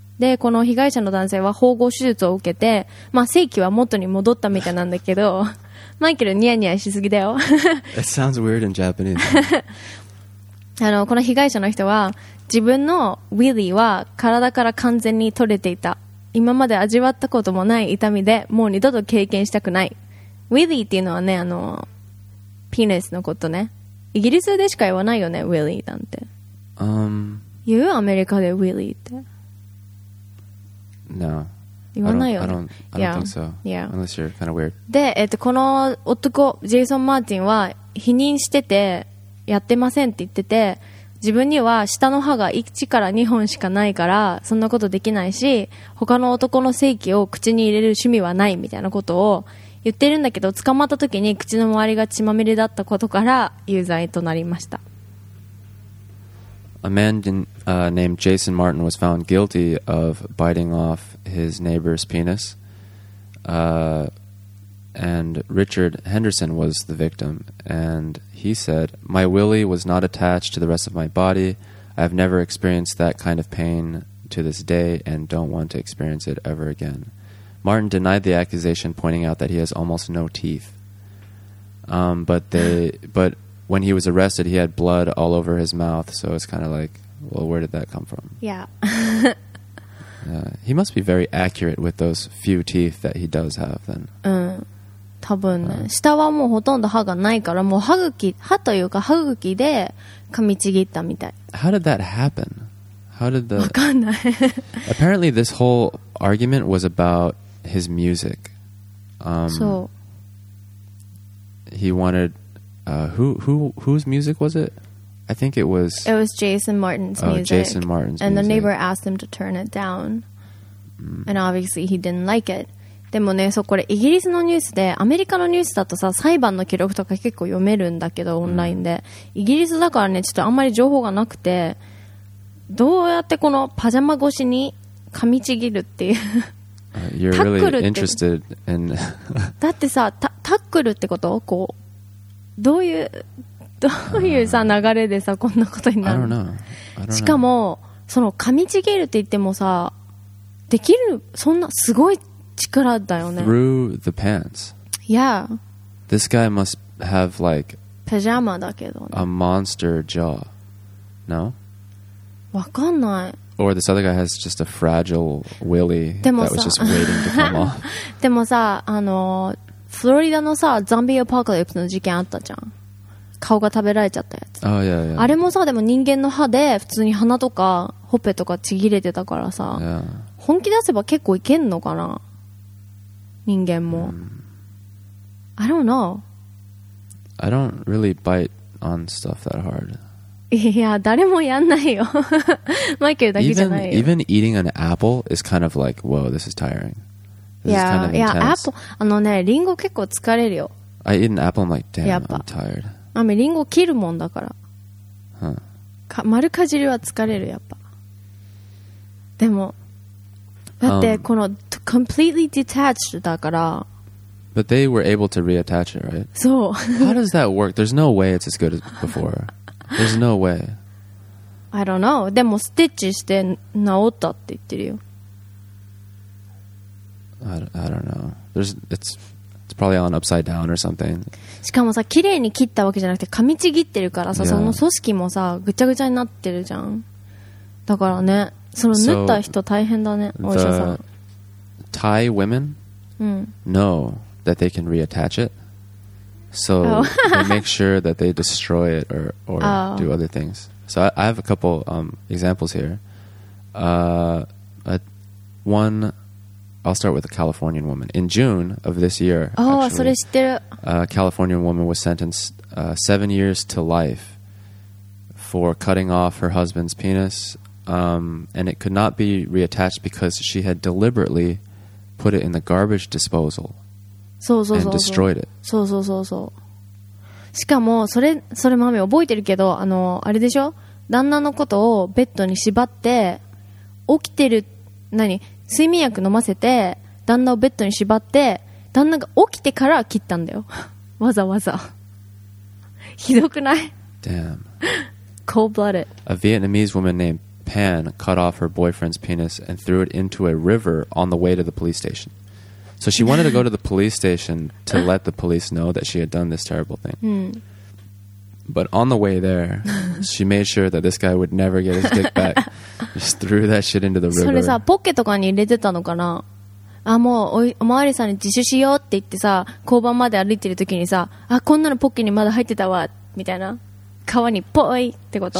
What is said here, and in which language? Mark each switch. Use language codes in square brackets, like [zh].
[ja] でこの被害者の男性は縫合手術を受けて、性器は元に戻ったみたいなんだけどマイケルニヤニヤしすぎだよ。 [en] It sounds weird in Japanese. [ja] この被害者の人は自分のウィリーは体から完全に取れていた、今まで味わったこともない痛みでもう二度と経験したくない。ウィリーっていうのはね、ピネスのことね。イギリスでしか言わないよね、ウィリーなんて。言うアメリカでウィリーって [en] No. [ja] 言わないよね。 [en] I don't think so. Unless you're kind of weird. [ja] で、この男ジェイソン・マーティンは否認しててやってませんって言ってて、自分には下の歯が1から2本しかないからそんなことできないし、他の男の性器を口に入れる趣味はないみたいなことを言ってるんだけど、捕まった時に口の周りが血まみれだったことから有罪となりました。 [en] A man named Jason Martin was found guilty of biting off his neighbor's penis、and Richard Henderson was the victim, and he said, "My willy was not attached to the rest of my body. I have never experienced that kind of pain to this day and don't want to experience it ever again." Martin denied the accusation, pointing out that he has almost no teeth. But when he was arrested, he had blood all over his mouth, so it's kind of like, well, where did that come from? Yeah. he must be very accurate with those few teeth that he does have, then. [ja] 多分ね、下はもうほとんど歯がないから、もう歯というか歯茎で噛みちぎったみたい。 [en] How did that happen? How did the... [ja] わかんない。 [en] Apparently this whole argument was about his music. [ja] そう。 [en] He wanted... whose music was it? I think it was... It was Jason Martin's music. Oh, Jason Martin's music. And the neighbor asked him to turn it down. And obviously he didn't like it. [ja] でもね、そうこれイギリスのニュースで、アメリカのニュースだとさ裁判の記録とか結構読めるんだけどオンラインで、イギリスだからねちょっとあんまり情報がなくて、どうやってこのパジャマ越しに噛みちぎるっていう、タックルって、 [en] really、in... [ja] だってさタックルってこと、こうどういうさ流れでさこんなことになる、しかもその噛みちぎるって言ってもさ、できるそんなすごい力だよね。 [en] Through the pants. Yeah. This guy must have like [ja] パジャマだけどね。 [en] A monster jaw. No? [ja] わかんない。 [en] Or this other guy has just a fragile willy that was just waiting to come off. [ja] でもさ、フロリダのさ、ゾンビアポカリプスの事件あったじゃん。顔が食べられちゃったやつ。 [en] Oh, yeah, yeah. [ja] あれもさ、でも人間の歯で普通に鼻とかほっぺとかちぎれてたからさ、 [en] yeah. [ja] 本気出せば結構いけんのかな。 [en] 人間も、I don't know. I don't really bite on stuff that hard. [ja] いや、誰もやんないよ。マイケルだけじゃないよ。 [en] Even eating an apple is kind of like, whoa, this is tiring. This yeah, is kind of intense. Yeah, apple. [ja] あのね、リンゴ結構疲れるよ。 [en] I eat an apple, I'm like, damn, I'm tired. [ja] あ、リンゴ切るもんだから。 Huh. 丸かじりは疲れるやっぱ。でも。だってこの [en] completely detached [ja] だから、 [en] But they were able to reattach it, right? [ja] そう。 [en] How does that work? There's no way it's as good as before. There's no way. I don't know. [ja] でもステッチして治ったって言ってるよ。 [en] I don't know. It's probably on upside down or something. [ja] しかもさ、綺麗に切ったわけじゃなくて噛みちぎってるからさ、その組織もさ、ぐちゃぐちゃになってるじゃん。だからね。その塗った人大変だね、 [en] so、 [ja] お医者さん。 [en] Thai women know that they can reattach it, so、 oh. they make sure that they destroy it or、 oh. do other things. So I have a couple examples here. One, I'll start with a Californian woman. In June of this year, a Californian woman was sentenced 7 years to life for cutting off her husband's penis. And it could not be reattached because she had deliberately put it in the garbage disposal [ja] そうそうそうそう [en] and destroyed it. [ja] そうそうそうそう。しかもそれマミ覚えてるけど、あれでしょ、旦那のことをベッドに縛って起きてる、何、睡眠薬飲ませて旦那をベッドに縛って旦那が起きてから切ったんだよ、わざわざ。ひどくない？ [en] Damn. Cold blooded. A Vietnamese woman named Pan cut off her boyfriend's penis and threw it into a river on the way to the police station. So she wanted to go to the police station to let the police know that she had done this terrible thing. But on the way there, she made sure that this guy would never get his dick back. Just threw that shit into the river. [ja] それさ、ポッケとかに入れてたのかな？あ、もうおまわりさんに自首しようって言ってさ、交番まで歩いてる時にさ、あ、こんなのポッケにまだ入ってたわみたいな、川にポイってこと。